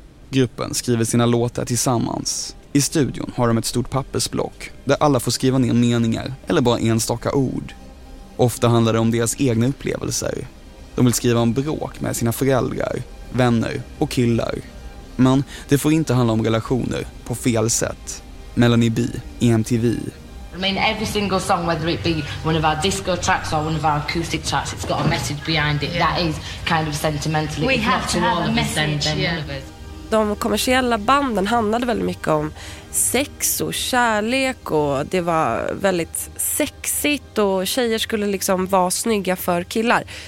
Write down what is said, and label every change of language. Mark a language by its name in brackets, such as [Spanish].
[Swedish] Gruppen skriver sina låtar tillsammans. I studion har de ett stort pappersblock där alla får skriva ner meningar eller bara enstaka ord. Ofta handlar det om deras egna upplevelser. De vill skriva om bråk med sina föräldrar, vänner och killar. Men det får inte handla om relationer på fel sätt. Melanie B, EMTV. [English] I mean, every single song, whether it be one of our disco tracks or one of our acoustic tracks, it's got a message behind it. Yeah. That is kind of sentimentally. We have to have a message. [Swedish] De kommersiella banden handlade väldigt mycket om sex och kärlek, och det var väldigt sexigt och tjejer skulle liksom vara snygga för killar.